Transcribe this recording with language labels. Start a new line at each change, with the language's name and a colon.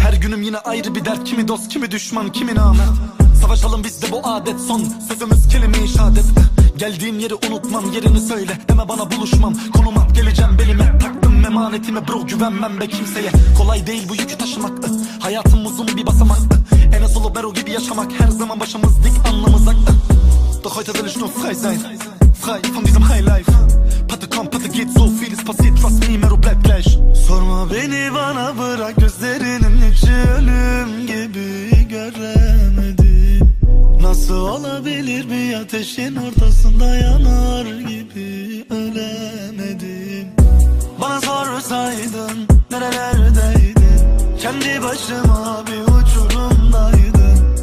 Turkish: Her günüm yine ayrı bir dert, kimi dost kimi düşman kimin ahmet. Savaşalım bizde bu adet, son sözümüz kelime-i şehadet. Geldiğim yeri unutmam, yerini söyle deme bana buluşmam. Konum at geleceğim belime, taktım emanetime bro, güvenmem be kimseye. Kolay değil bu yükü taşımak, hayatım uzun bir basamak. Enes Olubero gibi yaşamak, her zaman başımız dik anlamız ak.
German: Doch heute will ich nur frei sein, frei von diesem high life. Patte komm patte geht, so vieles passiert,
English: trust me
German: mero bleib gleich.
Turkish: Sorma beni bana bırak, gözlerinin içi ölüm gibi göremedim. Nasıl olabilir bir ateşin ortasında yanar gibi ölemedim. Bana sorsaydın nerelerdeydin, kendi başıma bir uçurumdaydın.